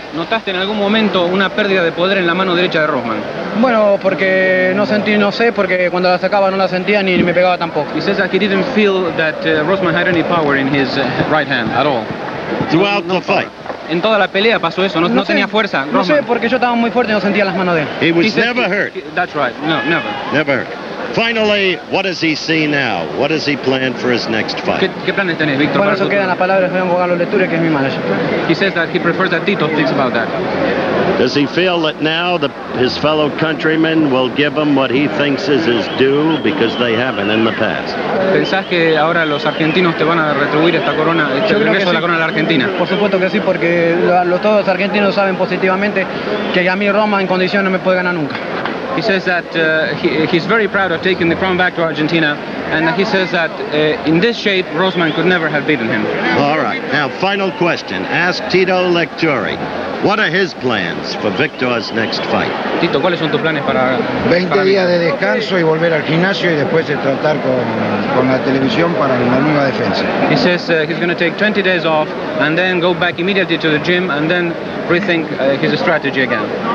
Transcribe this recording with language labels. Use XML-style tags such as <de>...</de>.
<es>¿Notaste en algún momento una pérdida de poder en la mano derecha de Rossman? Bueno, porque no sentí, no sé, porque cuando la sacaba no la sentía ni me pegaba tampoco.</es> <en>He says that he didn't feel that Rossman had any power in his right hand at all. Throughout the fight.</en> <es>En toda la pelea pasó eso, no tenía fuerza. No sé, porque yo estaba muy fuerte y no sentía las manos de él.</es> <en>He was never hurt. That's right, no, never. Never hurt. Finally, what does he see now? What does he plan for his next fight?</en> <es>¿Qué planes tenés, Victor? Bueno, eso queda en la palabra de Juan Carlos Leture, que es mi manager.</es> <en>He says that he prefers that Tito thinks about that. Does he feel that now his fellow countrymen will give him what he thinks is his due, because they haven't in the past?</en> <es>¿Pensás que ahora los argentinos te van a retribuir esta corona, este regreso de la corona a la Argentina? Por supuesto que sí, porque todos los argentinos saben positivamente que a mí Roma en condiciones no me puede ganar nunca.</es> <en>He says that he's very proud of taking the crown back to Argentina, and he says that in this shape, Rossman could never have beaten him. All right. Now, final question. Ask Tito Lecturi. What are his plans for Victor's next fight?</en> <es>Tito, ¿cuáles son tus planes para...? 20 días de descanso y volver al gimnasio y después de tratar con la televisión para una nueva defensa.</es> <en>He says he's going to take 20 days off and then go back immediately to the gym and then rethink his strategy again.</en>